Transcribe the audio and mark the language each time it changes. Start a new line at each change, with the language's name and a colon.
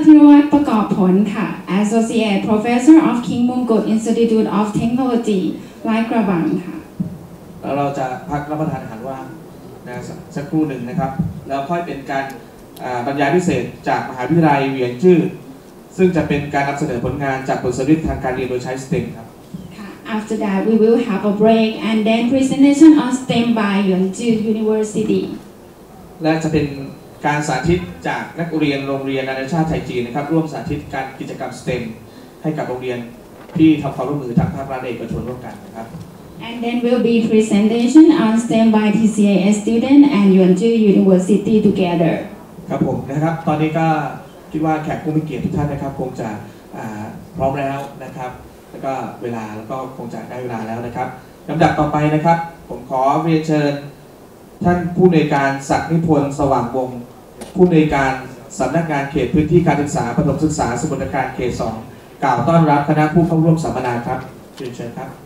English: ธีรวัฒน์ประกอบผลค่ะ Associate Professor of King Mongkut Institute of Technology ลายกระบังค่ะ
Thai: แล้วเราจะพักรับประทานอาหารว่างนะสักครู่หนึ่งนะครับแล้วค่อยเป็นการบรรยายพิเศษจากมหาวิทยาลัยเวียงจื้อซึ่งจะเป็นการนำเสนอผลงานจากบทสรุปทางการเรียนโดยใช้ STEM ครับ
English: After that we will have a break and then presentation on STEM by Yeongju University
Thai: และจะเป็นการสาธิตจากนักเรียนโรงเรียนนานาชาติไทยจีนนะครับร่วมสาธิตการกิจกรรม STEM ให้กับโรงเรียนที่ทำความร่วมมือทั้งภาครัฐและเอกชนร่วมกันนะครับ
English: And then will be presentation on STEM by TCIS student and Yeongju University together.
Thai: ครับผมนะครับตอนนี้ก็คิดว่าแขกผู้มีเกียรติทุกท่านนะครับคงจะพร้อมแล้วนะครับแล้วก็เวลาแล้วก็คงจะได้เวลาแล้วนะครับลำดับต่อไปนะครับผมขอเรียนเชิญท่านผู้อำนวยการศักดิ์นิพนธ์สว่างวงผู้อำนวยการสำนักงานเขตพื้นที่การศึกษาประถมศึกษาสมุทรปราการเขต2กล่าวต้อนรับคณะผู้เข้าร่วมสัมมนาครับเรียนเชิญครับ